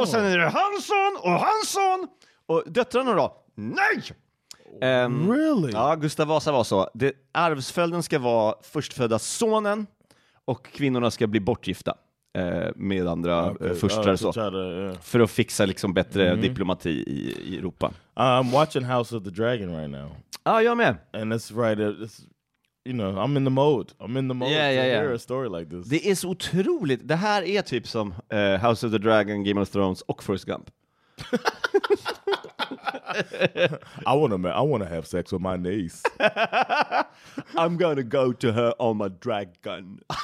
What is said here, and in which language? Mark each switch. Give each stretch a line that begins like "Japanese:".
Swedish: Och sen är det hans son! Och hans son! Och döttrarna då? Nej!
English: Really?
Swedish: Ja, Gustav Vasa var så. Det, arvsföljden ska vara förstfödda sonen. Och kvinnorna ska bli bortgifta. Med andra förstrar och så. För att fixa liksom bättre diplomati i Europa.
English: I'm watching House of the Dragon right now.
Swedish: Ja, jag med.
English: And that's right... You know, I'm in the mode. I'm in the mode to hear a story like this.
Swedish: Det är så otroligt. Det här är typ som House of the Dragon, Game of Thrones och Forrest Gump.
English: I want to have sex with my niece. I'm going to go to her on my dragon.